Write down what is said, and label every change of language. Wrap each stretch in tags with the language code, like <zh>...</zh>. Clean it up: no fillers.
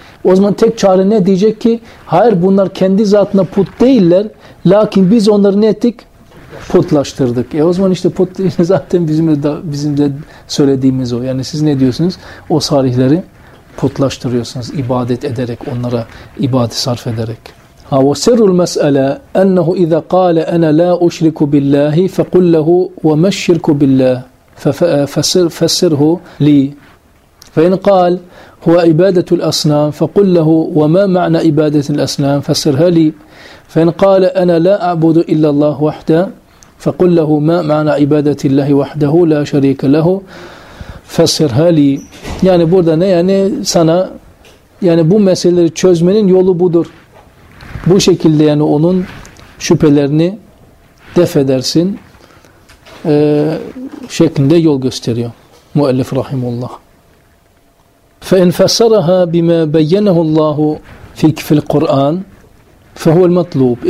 <tr>O zaman tek çare ne diyecek ki? Hayır bunlar kendi zatına put değiller. Lakin biz onları ne ettik? Putlaştırdık. O zaman işte put zaten bizim de söylediğimiz o. Yani siz ne diyorsunuz? O salihleri putlaştırıyorsunuz. İbadet ederek, onlara ibadet sarf ederek.</tr> <ar>وسر المسألة أنه إذا قال أنا لا أشرك بالله فقل له وما الشرك بالله فسره لي فإن قال هو عبادة الأصنام فقل له وما معنى عبادة الأصنام فسرها لي فإن قال أنا لا أعبد إلا الله وحده فقل له ما معنى عبادة الله وحده لا شريك له فسرها لي يعني</ar> <tr>burada ne yani sana yani bu meseleleri çözmenin yolu budur. Bu şekilde yani onun şüphelerini def edersin şeklinde yol gösteriyor müellif rahimullah.</tr> <ar>فَاِنْ فَسَّرَهَا بِمَا بَيَّنَهُ اللّٰهُ فِي الْقُرْآنِ فَهُوَ الْمَطْلُوبِ.</ar>